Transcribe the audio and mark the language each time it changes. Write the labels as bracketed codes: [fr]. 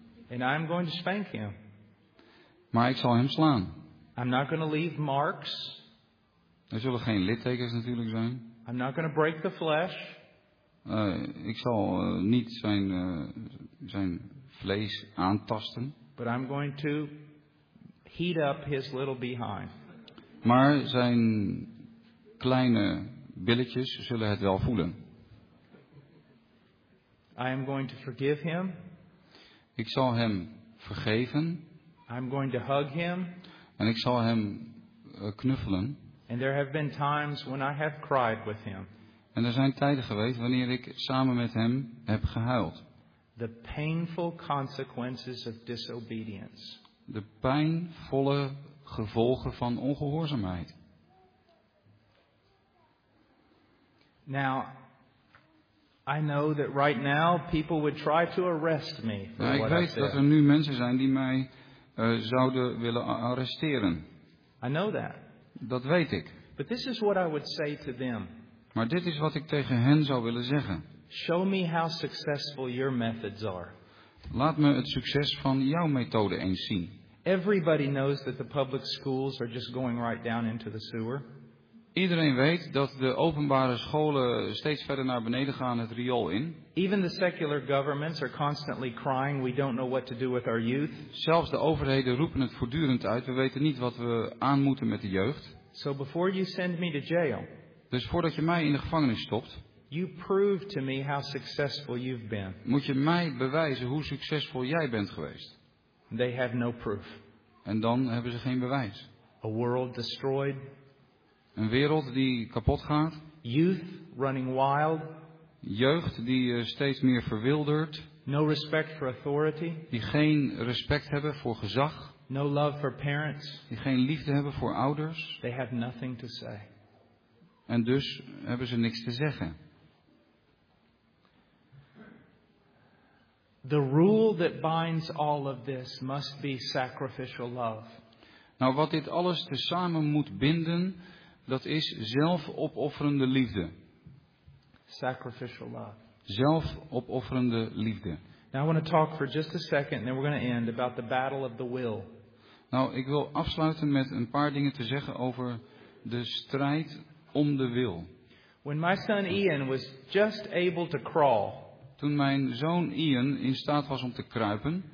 [en] And I'm going to spank him. [nl] Maar ik zal hem slaan. [en] I'm not going to leave marks. [nl] Er zullen geen littekens natuurlijk zijn. [en] I'm not going to break the flesh. [nl] Ik zal niet zijn vlees aantasten. [en] But I'm going to heat up his little behind. [nl] Maar zijn kleine billetjes zullen het wel voelen. [en] I am going to forgive him. [nl] Ik zal hem vergeven. [en] I'm going to hug him. [nl] En ik zal hem knuffelen. [en] And there have been times when I have cried with him. [nl] En er zijn tijden geweest wanneer ik samen met hem heb gehuild. [en] The painful consequences of disobedience. [nl] De pijnvolle gevolgen van ongehoorzaamheid. [en] Now, I know that right now people would try to arrest me for what I said. [nl] Ik weet dat er nu mensen zijn die mij zouden willen arresteren. [en] I know that. [nl] Dat weet ik. [en] But this is what I would say to them. [nl] Maar dit is wat ik tegen hen zou willen zeggen. [en] Show me how successful your methods are. [nl] Laat me het succes van jouw methode eens zien. [en] Everybody knows that the public schools are just going right down into the sewer. [nl] Iedereen weet dat de openbare scholen steeds verder naar beneden gaan het riool in. [en] Even the secular governments are constantly crying, we don't know what to do with our youth. [nl] Zelfs de overheden roepen het voortdurend uit, we weten niet wat we aan moeten met de jeugd. [en] So before you send me to jail. [nl] Dus voordat je mij in de gevangenis stopt. [en] You prove to me how successful you've been. [nl] Moet je mij bewijzen hoe succesvol jij bent geweest. [en] They have no proof. [nl] En dan hebben ze geen bewijs. [en] A world destroyed. [nl] Een wereld die kapot gaat. [en] Youth running wild. [nl] Jeugd die steeds meer verwildert. [en] No respect for authority. [nl] Die geen respect hebben voor gezag. [en] No love for parents. [nl] Die geen liefde hebben voor ouders. [en] They have nothing to say. [nl] En dus hebben ze niks te zeggen. [en] The rule that binds all of this must be sacrificial love. [nl] Nou, wat dit alles tezamen moet binden, dat is zelfopofferende liefde. [en] Sacrificial love. [nl] Zelfopofferende liefde. [en] Now I want to talk for just a second, and then we're going to end about the battle of the will. [nl] Nou, ik wil afsluiten met een paar dingen te zeggen over de strijd om de wil. [en] When my son Ian was just able to crawl. [nl] Toen mijn zoon Ian in staat was om te kruipen.